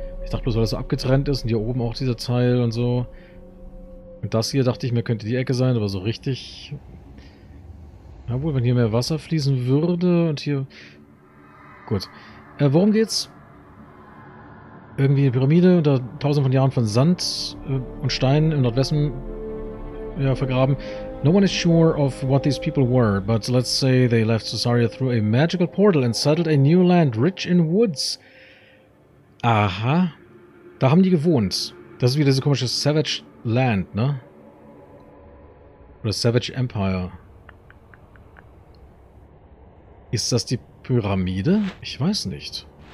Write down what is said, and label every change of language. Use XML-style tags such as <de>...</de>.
<de>Ich dachte bloß, weil das so abgetrennt ist und hier oben auch dieser Teil und so. Und das hier, dachte ich mir, könnte die Ecke sein, aber so richtig... Jawohl, wenn hier mehr Wasser fließen würde und hier... Gut. Worum geht's? Irgendwie eine Pyramide unter tausend von Jahren von Sand und Stein im Nordwesten vergraben.</de> <en>No one is sure of what these people were, but let's say they left Sosaria through a magical portal and settled a new land rich in woods.</en> <de>Aha. Da haben die gewohnt. Das ist wieder diese komische Savage Land, ne? Oder Savage Empire. Ist das die Pyramide? Ich weiß nicht.</de>